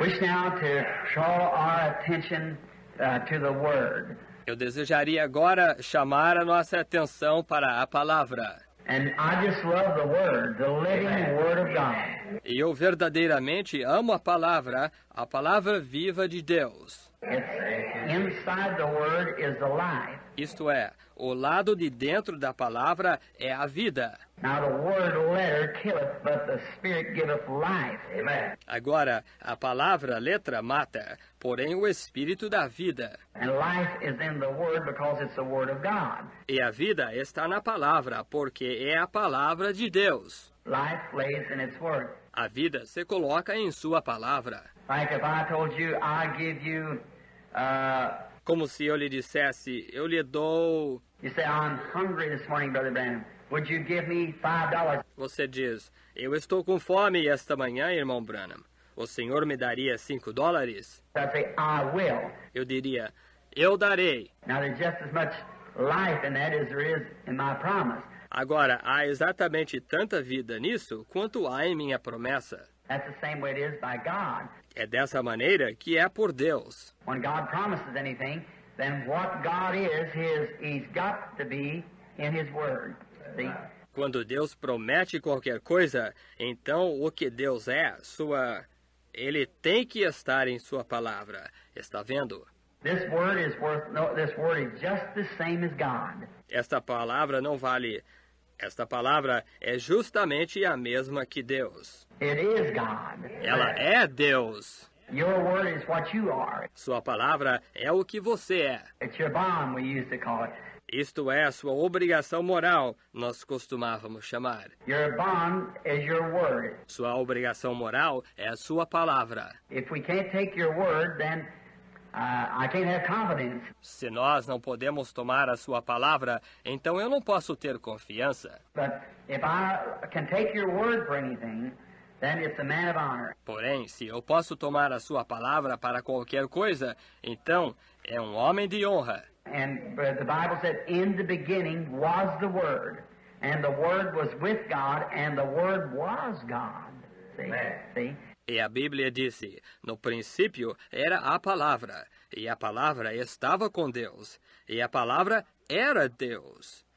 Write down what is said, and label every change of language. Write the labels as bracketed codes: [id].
[en] Wish now to draw our attention to the Word. [pt] Eu desejaria agora chamar a nossa atenção para a palavra. [en] And I just love the Word, the living Word of God. [pt] E eu verdadeiramente amo a palavra viva de Deus. [en] It's inside the Word is the life. [pt] Isto é, o lado de dentro da palavra é a vida. [en] Now the word letter killeth, but the spirit giveth life. Amen. [pt] Agora, a palavra letra mata, porém o espírito dá vida. [en] And life is in the word because it's the word of God. [pt] E a vida está na palavra, porque é a palavra de Deus. [en] Life lays in its word. [pt] A vida se coloca em sua palavra. [en] Like if I told you, I give you, [pt] como se eu lhe dissesse, eu lhe dou. [en] You say, I'm hungry this morning, Brother Branham. Would you give me $5? [pt] Você diz, eu estou com fome esta manhã, irmão Branham. O senhor me daria $5? [en] I say, I will. [pt] Eu diria, eu darei. [en] Now there's just as much life in that as there is in my promise. [pt] Agora, há exatamente tanta vida nisso quanto há em minha promessa. [en] That's the same way it is by God. [pt] É dessa maneira que é por Deus. [en] When God promises anything, then what God is, he's got to be in his word. [pt] Quando Deus promete qualquer coisa, então o que Deus é, sua Ele tem que estar em sua palavra. Está vendo? [en] This word is worth, no, this word is just the same as God. [pt] Esta palavra não vale. Esta palavra é justamente a mesma que Deus. [en] It is God. [pt] Ela é Deus. [en] Your word is what you are. [pt] Sua palavra é o que você é. [en] It's your bond, we used to call it. [pt] Isto é a sua obrigação moral, nós costumávamos chamar. [en] Your bond is your word. [pt] Sua obrigação moral é a sua palavra. [en] If we can't take your word, then I can't have confidence. [pt] Se nós não podemos tomar a sua palavra, então eu não posso ter confiança. [en] But if I can take your word for anything, then it's a man of honor. [pt] Porém, se eu posso tomar a sua palavra para qualquer coisa, então é um homem de honra. [en] And the Bible said, in the beginning was the Word, and the Word was with God, and the Word was God. See? [pt] E a Bíblia disse, no princípio era a palavra, e a palavra estava com Deus, e a palavra era Deus.